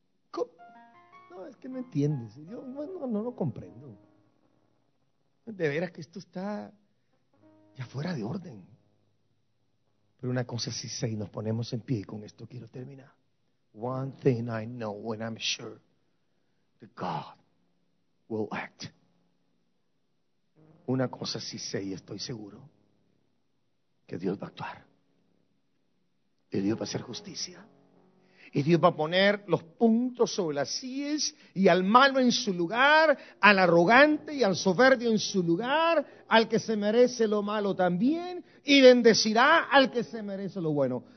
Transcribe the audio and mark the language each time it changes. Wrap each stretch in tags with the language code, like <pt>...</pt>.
<es>¿Cómo? No, es que no entiendes. Yo no comprendo. De veras que esto está ya fuera de orden. Pero una cosa sí sé y nos ponemos en pie y con esto quiero terminar.</es> <en>One thing I know and I'm sure that God will act.</en> <es>Una cosa sí sé y estoy seguro que Dios va a actuar. Y Dios va a hacer justicia. Y Dios va a poner los puntos sobre las íes y al malo en su lugar, al arrogante y al soberbio en su lugar, al que se merece lo malo también, y bendecirá al que se merece lo bueno.</es>